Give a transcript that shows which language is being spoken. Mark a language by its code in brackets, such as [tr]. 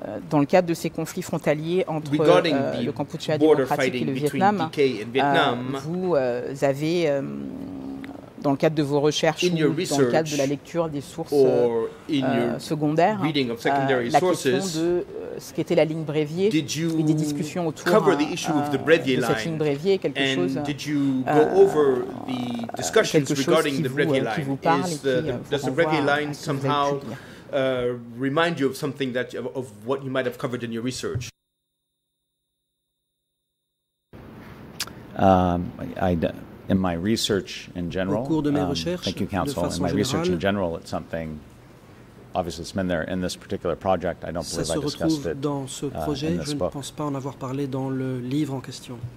[fr] dans le cadre de ces conflits frontaliers entre le Cambodge démocratique et le Vietnam, vous avez, dans le cadre de vos recherches ou dans le cadre de la lecture des sources secondaires, la question de ce qu'était la ligne Brévier et des discussions autour de cette ligne Brévier, quelque chose qui vous parle et qui vous renvoie à ce que vous avez pu lire. [en] Remind you of something that of what you might have covered in your research. In my research in general, [fr] au cours de mes recherches, [en] thank you, Council. In my [fr] générale, [en] research in general, it's something. Obviously, it's been there in this particular project. I don't believe I discussed it. [fr] Dans ce projet, [en] in this [fr] je [en] book. [fr] Ne pense pas en avoir parlé dans le livre en question.